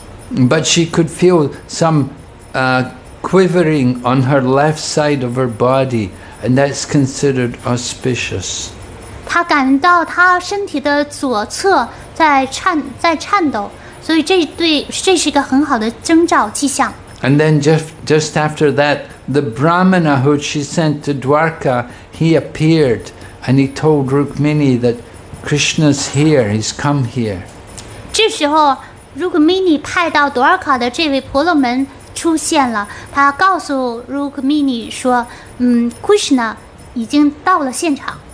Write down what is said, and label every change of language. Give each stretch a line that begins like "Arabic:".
English: but she could feel some quivering on her left side of her body. And that's considered auspicious.
Chinese: 他感到他身体的左侧在颤抖，所以这是一个很好的征兆迹象。
English: And then just after that, the Brahmana who she sent to Dwarka, he appeared and he told Rukmini that Krishna's here, he's come here.
Chinese: 这时候 Rukmini 派到 Dwarka 的这位婆罗门出现了，他告诉 Rukmini 说， Krishna 已经到了现场。